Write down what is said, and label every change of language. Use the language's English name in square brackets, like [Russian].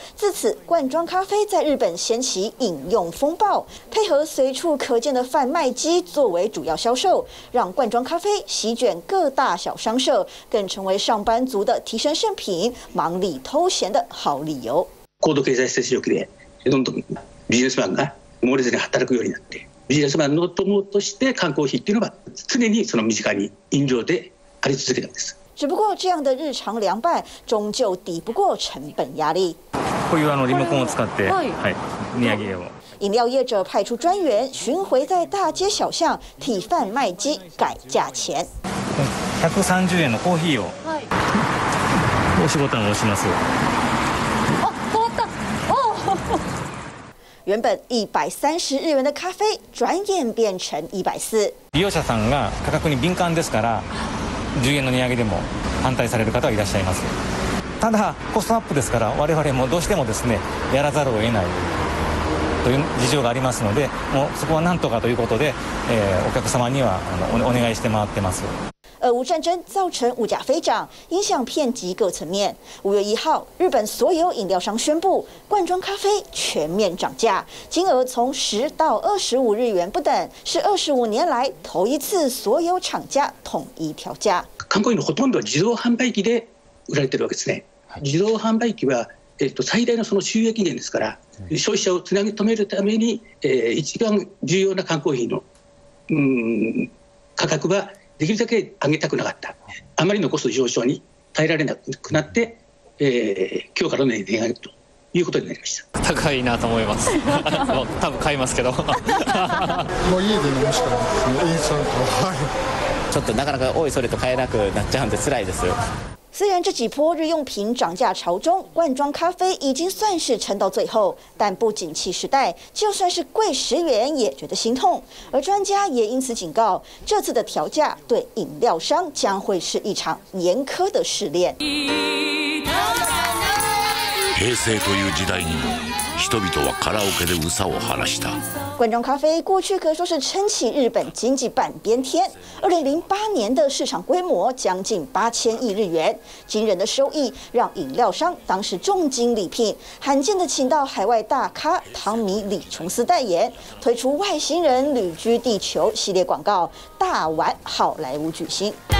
[Chinese] 自此，罐装咖啡在日本掀起饮用风暴，配合随处可见的贩卖机作为主要销售，让罐装咖啡席卷各大小商社，更成为上班族的提升圣品、忙里偷闲的好理由。 [Japanese] 高度経済成長期でどんどんビジネスマンが猛烈に働くようになって。ビジネスマンの友として缶コーヒーっていうのは常にその身近に飲料であり続けたんです。 [Chinese] 只不过这样的日常凉拌终究抵不过成本压力。 [Japanese] こういうリモコンを使って、はい、値上げを。 [Chinese] 饮料业者派出专员巡回在大街小巷替贩卖机改价钱。 [Japanese] 130円のコーヒーを。はい。押しボタンを押します。 [Chinese] 原本130日元的咖啡，转眼变成140。 [Japanese] 利用者さんが価格に敏感ですから、10円の値上げでも反対される方はいらっしゃいます。ただコストアップですから、我々もどうしてもですね、やらざるを得ないという事情がありますので、もうそこはなんとかということで、お客様にはお願いして回ってます。 [Chinese] 俄乌战争造成物价飞涨，影响遍及各层面。 5月1号，日本所有饮料商宣布罐装咖啡全面涨价，金额从10到25日元不等，是25年来头一次所有厂家统一调价。 [Japanese] 缶コーヒーのほとんどは自動販売機で売られているわけですね。自動販売機は最大のその収益源ですから、消費者をつなぎ止めるために一番重要な缶コーヒーの価格は。できるだけ上げたくなかった。あまりのコスト上昇に耐えられなくなって、今日からの値上げということになりました。高いなと思います。もう多分買いますけど。もう家で飲むしかない。もうインスタント。ちょっとなかなか多いそれと買えなくなっちゃうんで辛いです。 [Chinese] 虽然这几波日用品涨价潮中，罐装咖啡已经算是撑到最后，但不景气时代，就算是贵10元也觉得心痛。而专家也因此警告，这次的调价对饮料商将会是一场严苛的试炼。 [Japanese] 平成という時代にも人々はカラオケで嘘を晴らした。 [Chinese] 罐装咖啡过去可说是撑起日本经济半边天。 2008年的市场规模将近8000亿日元，惊人的收益让饮料商当时重金礼聘，罕见的请到海外大咖汤米·李琼斯代言，推出外星人旅居地球系列广告，大玩好莱坞巨星。